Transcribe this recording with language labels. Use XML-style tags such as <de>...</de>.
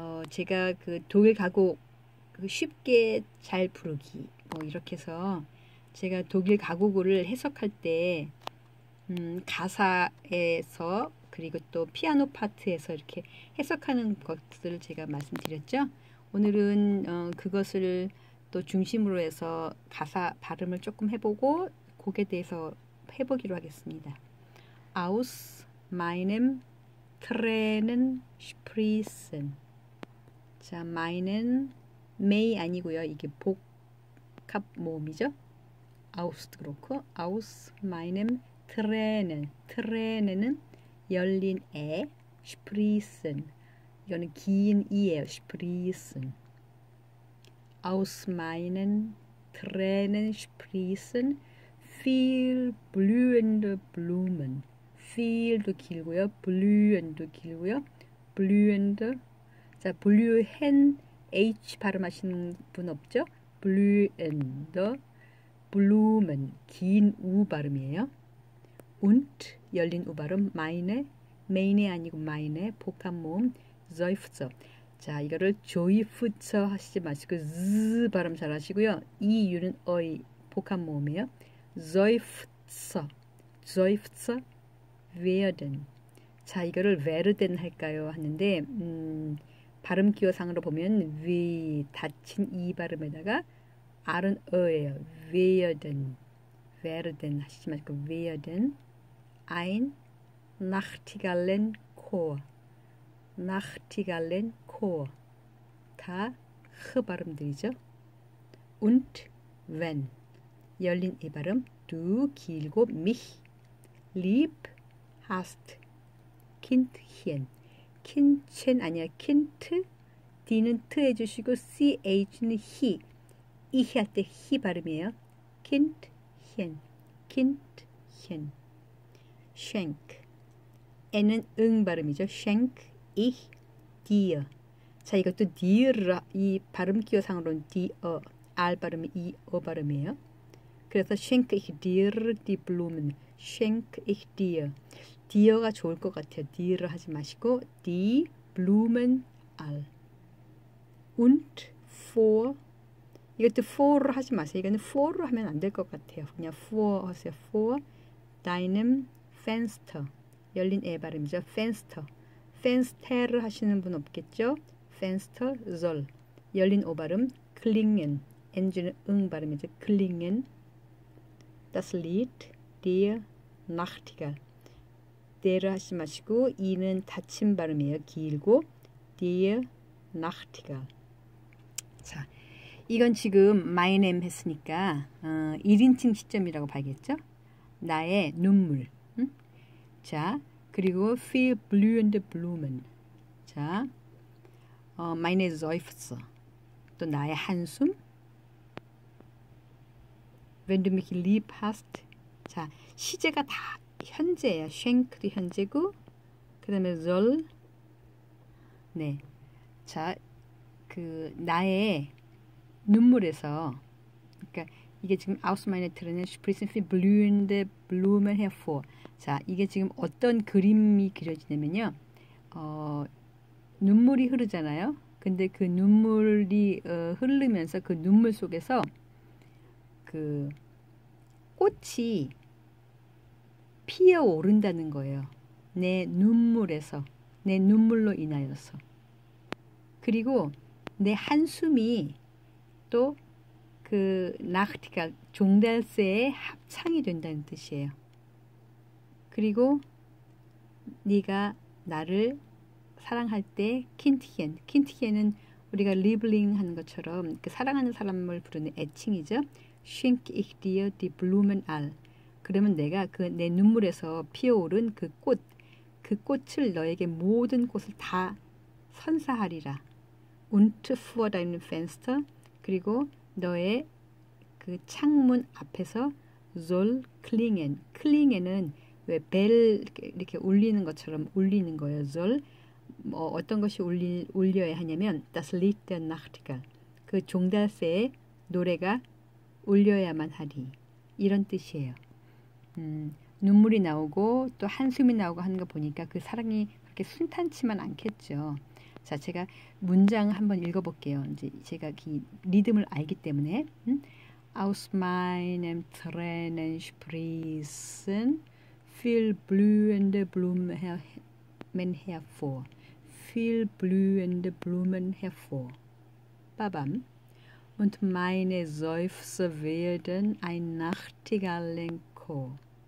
<ko>제가 그 독일 가곡 쉽게 잘 부르기 뭐 이렇게 해서 제가 독일 가곡을 해석할 때 가사에서 그리고 또 피아노 파트에서 이렇게 해석하는 것들을 제가 말씀드렸죠. 오늘은 그것을 또 중심으로 해서 가사 발음을 조금 해보고 곡에 대해서 해보기로 하겠습니다.</ko> <de>Aus meinem Tränen sprießen.</de> <ko>자, meinen May 아니고요. 이게 복합 모음이죠. Aus 그렇고</ko> <de>Aus meinem Tränen.</de> <ko>Tränen은 열린 에 sprießen. 이거는 긴 이에요. sprießen.</ko> <de>Aus meinen Tränen sprießen viel blühende Blumen.</de> <ko>Viel도 길고요, blühende도 길고요, blühende. 자, blühen, H 발음하시는 분 없죠? blühende, blumen, 긴 U 발음이에요. Und 열린 U 발음, meine, meine 아니고 meine 복합 모음, seufzer. 자, 이거를 조이프처 하시지 마시고 즈 발음 잘 하시고요. 이 유는 어이 복합 모음이에요. 조이프처. 조이프처 웨어든. 자, 이거를 웨르든 할까요? 하는데 발음 기호상으로 보면 위 닫힌 이 발음에다가 아른 어예요. 웨어든. 웨르든 하시지 마시고 웨어든. 아인 나흐티갈렌 코어. 나흐티갈렌 코어. 다흐 발음들이죠.</ko> <de>Und wenn</de> <ko>열린 이 발음 두 길고</ko> <de>mich lieb hast Kindchen.</de> <ko>Kindchen 아니야 Kind. D는 트 해주시고 CH는 히. 이히 할때히 발음이에요.</ko> <de>Kindchen. Kindchen. Schenk.</de> <ko>N은 응 발음이죠. Schenk ich dir. 자, 이것도 디어, 이 발음 기호상으로는 디어, 알 발음이 이어 발음이에요. 그래서</ko> <de>schenk ich dir die Blumen, schenk ich dir.</de> <ko>디어가 좋을 것 같아요. 디어 하지 마시고</ko> <de>die Blumen all.</de> <ko>Und for 이것도 for 하지 마세요. 이거는 for 하면 안될것 같아요. 그냥 for 하세요.</ko> <de>For deinem Fenster</de> <ko>열린 애 발음이죠. Fenster, Fenster 하시는 분 없겠죠?</ko> <de>Fenster soll</de> <ko>열린 오 발음 klingen. N은 응 발음이죠. klingen.</ko> <de>Das Lied der Nachtigall.</de> <ko>der 하지 마시고 이는 닫힌 발음이에요. 길고</ko> <de>der Nachtigall.</de> <ko>자, 이건 지금 my name 했으니까 1인칭 시점이라고 봐야겠죠? 나의 눈물. 응? 자, 그리고</ko> <de>viel blühende Blumen.</de> <ko>자,</ko> <de>meine Seufzer.</de> <ko>또 나의 한숨.</ko> <de>Wenn du mich lieb hast.</de> <ko>자, 시제가 다 현재예요. Schenk도 현재고, 그 다음에 soll. 네. 자, 그, 나의 눈물에서. 그러니까, 이게 지금</ko> <de>Aus meiner Tränen sprießen viel blühende Blumen hervor.</de> <ko>자, 이게 지금 어떤 그림이 그려지냐면요. 눈물이 흐르잖아요. 근데 그 눈물이 흐르면서 그 눈물 속에서 그 꽃이 피어오른다는 거예요. 내 눈물에서, 내 눈물로 인하여서. 그리고 내 한숨이 또그 나흐티갈 종달새의 합창이 된다는 뜻이에요. 그리고 네가 나를 사랑할 때 킨티겐, 킨티겐은 우리가 리블링 하는 것처럼 그 사랑하는 사람을 부르는 애칭이죠.</ko> <de>Schenk ich dir die Blumen all.</de> <ko>그러면 내가 그내 눈물에서 피어오른 그 꽃, 그 꽃을 너에게 모든 꽃을 다 선사하리라.</ko> <de>Und vor deinem Fenster,</de> <ko>그리고 너의 그 창문 앞에서</ko> <de>soll klingen.</de> <ko>Klingen은 왜벨 이렇게 울리는 것처럼 울리는 거예요. soll 뭐 어떤 것이 울려야 하냐면</ko> <de>Das Lied der Nachtigall.</de> <ko>그 종달새의 노래가 울려야만 하리. 이런 뜻이에요. 눈물이 나오고 또 한숨이 나오고 하는 거 보니까 그 사랑이 그렇게 순탄치만 않겠죠. 자, 제가 문장 한번 읽어볼게요. 이제 제가 그 리듬을 알기 때문에.</ko> <de>Aus meinem Tränen sprießen viel blühende Blumen hervor. Viel blühende Blumen hervor. Babam. Und meine Seufzer werden ein Nachtigallenchor.</de>